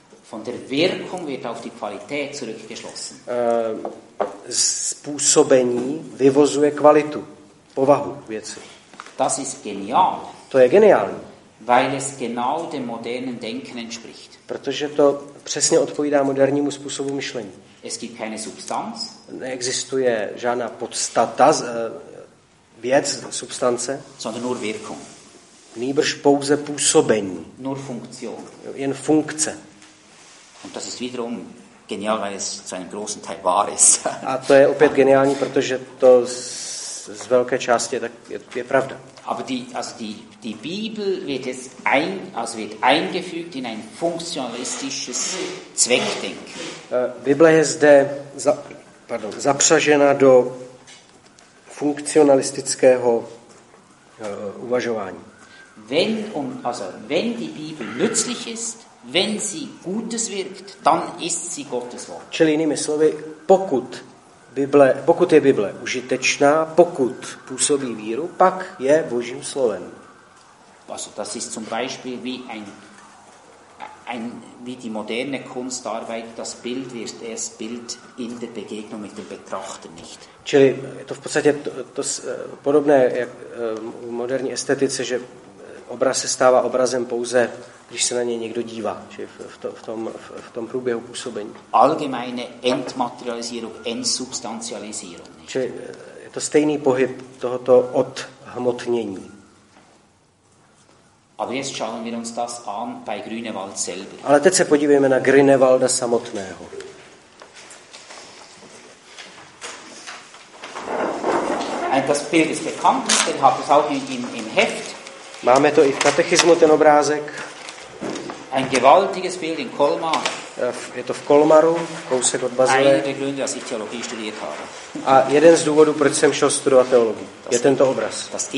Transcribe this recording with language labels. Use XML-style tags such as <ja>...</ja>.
<de>Von der Wirkung wird auf die Qualität zurückgeschlossen.</de> <cs>Způsobení vyvozuje kvalitu, povahu věci.</cs> <de>Das ist genial.</de> <cs>To je geniální.</cs> <de>Weil es genau dem modernen Denken entspricht.</de> <cs>Protože to přesně odpovídá modernímu způsobu myšlení.</cs> <de>Es gibt keine Substanz.</de> <cs>Neexistuje žádná podstata, věc, substance.</cs> <de>Sondern nur Wirkung.</de> <cs>Nýbrž pouze působení.</cs> <de>Nur Funktion.</de> <cs>Jen funkce.</cs> <de>Und das ist wiederum genial, weil es zu einem großen Teil wahr ist.</de> <cs>A to je opět geniální, protože to z velké části tak je pravda.</cs> <de>Aber die Bibel wird jetzt wird eingefügt in ein funktionalistisches Zweckdenken.</de> <cs>Bible je zde zapřažena do funkcionalistického uvažování.</cs> <de>Wenn die Bibel nützlich ist, wenn sie Gutes wirkt, dann ist sie Gottes Wort.</de> <cs>Čili jinými slovy, pokud je Bible užitečná, pokud působí víru, pak je Božím slovem.</cs> <de>Also das ist zum Beispiel wie die moderne Kunstarbeit, das Bild wird erst Bild in der Begegnung mit dem Betrachter nicht.</de> <cs>Čili je to v podstatě podobné jak v moderní estetice, že obraz se stává obrazem pouze, když se na něj někdo dívá, či v tom průběhu působení.</cs> <de>Allgemeine Entmaterialisierung, Entsubstantialisierung.</de> <cs>Či je to stejný pohyb tohoto odhmotnění.</cs> <de>Aber jetzt schauen wir uns das an bei Grünewald selber.</de> <cs>Ale teď se podívejme na Grünewalda samotného.</cs> <de>Das Bild ist bekannt, den hat es auch im Heft.</de> <cs>Máme to i v katechismu, ten obrázek.</cs> <de>Ein gewaltiges Bild in Colmar.</de> <cs>Je to v Kolmaru, kousek od Bazile.</cs> <de>Einer der Gründe, dass ich Theologie studiert habe.</de> <cs>A jeden z důvodů, proč jsem šel studovat teologii, je tento obraz.</cs>